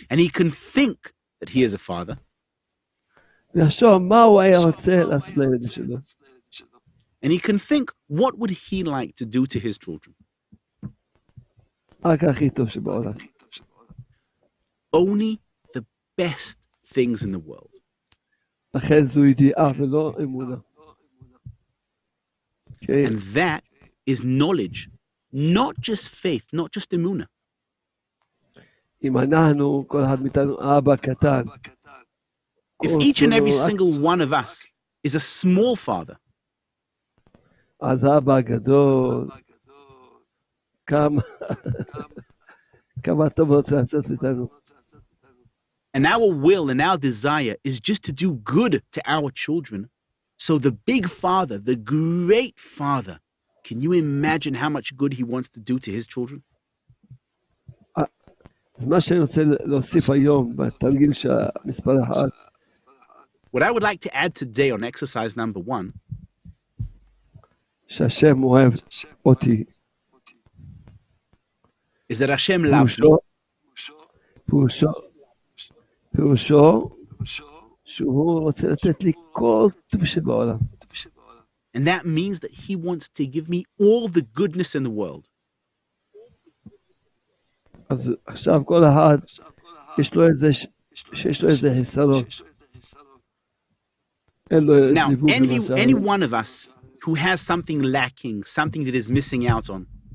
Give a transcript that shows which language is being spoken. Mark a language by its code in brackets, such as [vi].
[en] And he can think that he is a father. [he] ויחשוב מה הוא היה רוצה לעשות לילד שלו. [en] And he can think, what would he like to do to his children? Only the best things in the world. Okay. And that is knowledge, not just faith, not just emuna. If each and every single one of us is a small father, [he] אז אבא גדול, כמה טוב רוצה לעשות איתנו. [en] And our will and our desire is just to do good to our children. So the big father, the great father, can you imagine how much good he wants to do to his children? [he] אז מה שאני רוצה להוסיף היום, בתרגיל שהמספר אחד. [en] What I would like to add today on exercise number one, [he] שהשם אוהב אותי. [en] Is that Hashem loves me? [he] פירושו שהוא רוצה לתת לי כל טוב שבעולם. [en] And that means that he wants to give me all the goodness in the world. [he] אז עכשיו כל אחד יש לו איזה, שיש לו איזה הסרות. [en] Now, any one of us who has something lacking, something that is missing out on.